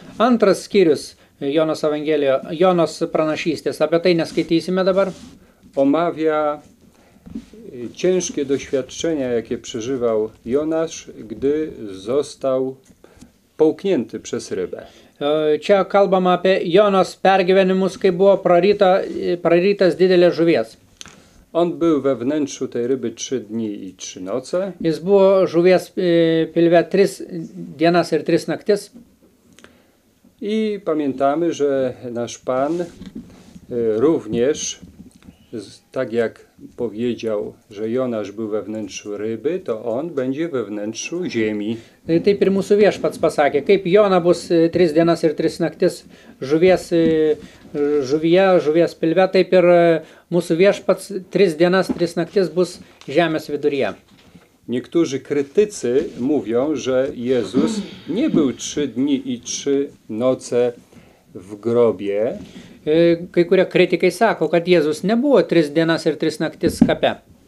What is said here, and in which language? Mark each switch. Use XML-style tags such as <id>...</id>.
<lt>Antras skyrius Jonos Evangelio, Jonos pranašystės, apie tai neskaitysime dabar.</lt> <pl>Omawia ciężkie doświadczenia, jakie przeżywał Jonasz, gdy został połknięty przez rybę.</pl> <lt>Čia kalbama apie Jonos pergyvenimus, kai buvo prarytas didelės žuvies.</lt> <pl>On był we wnętrzu tej ryby 3 dni i 3 noce.</pl> <lt>Jis buvo žuvies pilve 3 dienas ir 3 naktis.</lt> <pl>I pamiętamy, że nasz Pan również, tak jak powiedział, że Jonasz był we wnętrzu ryby, to on będzie we wnętrzu ziemi.</pl> <lt>Taip ir mūsų viešpats pasakė, kaip Jona bus 3 dienas ir 3 naktis žuvies žuvyje, žuvies pilve, taip ir mūsų viešpats 3 dienas, 3 naktis bus žemės viduryje.</lt> <pl>Niektórzy krytycy mówią, że Jezus nie był 3 dni i 3 noce w grobie.</pl> <lt>Kai kurie kritikai sako, kad Jėzus nebuvo 3 dienas ir 3 naktis kape.</lt>